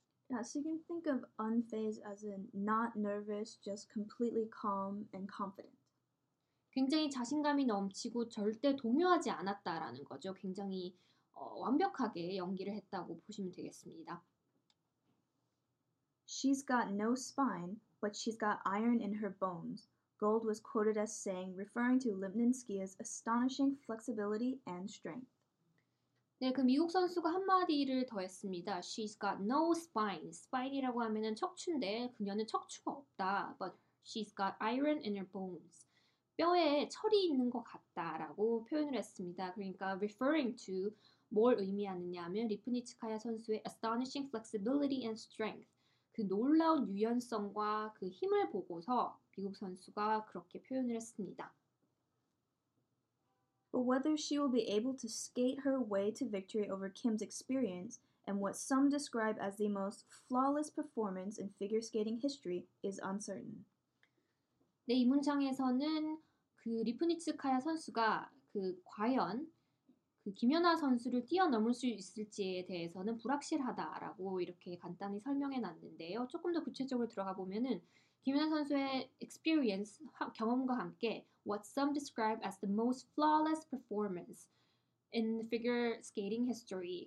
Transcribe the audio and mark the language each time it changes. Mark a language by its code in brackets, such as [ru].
[en] Yeah, so you can think of unfazed as in not nervous, just completely calm and confident. [ko] 굉장히 자신감이 넘치고 절대 동요하지 않았다라는 거죠. 굉장히 완벽하게 연기를 했다고 보시면 되겠습니다. [en] She's got no spine, but she's got iron in her bones. Gold was quoted as saying, referring to Limnanskaya's astonishing flexibility and strength. [ko] 네, 그 미국 선수가 한마디를 더했습니다. [en] She's got no spine. [ko] Spine이라고 하면은 척추인데 그녀는 척추가 없다. [en] But she's got iron in her bones. [ko] 뼈에 철이 있는 것 같다라고 표현을 했습니다. 그러니까 referring to 뭘 의미하느냐 하면 리프니츠카야 선수의 [en] astonishing flexibility and strength. [ko] 그 놀라운 유연성과 그 힘을 보고서 미국 선수가 그렇게 표현을 했습니다. [en] But whether she will be able to skate her way to victory over Kim's experience and what some describe as the most flawless performance in figure skating history is uncertain. [ko] 네, 이 문장에서는 그 리프니츠카야 선수가 그 과연 그 김연아 선수를 뛰어넘을 수 있을지에 대해서는 불확실하다라고 이렇게 간단히 설명해 놨는데요. 조금 더 구체적으로 들어가 보면은 김연아 선수의 experience, 경험과 함께 [en] what some describe as the most flawless performance in figure skating history.